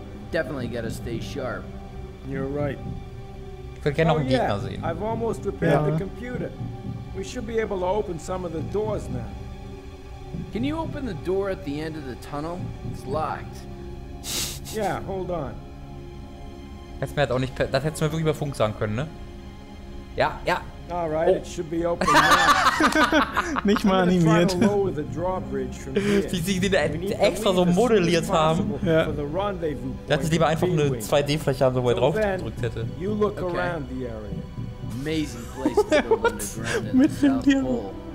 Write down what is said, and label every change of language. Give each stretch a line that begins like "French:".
English: Definitely gotta stay sharp. You're right. I've almost repaired the computer. We should be able to open some of the doors now. Can you open the door at the end of the tunnel? It's locked. Yeah, hold on.
German: Hätte mir halt auch nicht, das hättest du mir wirklich über Funk sagen können, ne? Ja, ja.
English: Alright, it should be open now.
German: Nicht mal animiert. Wie sie den extra so modelliert haben. Ja. Dass ich lieber einfach eine 2D-Fläche haben, wo er drauf gedrückt hätte.
English: You look around the area. Amazing place to go underground in the South Pole.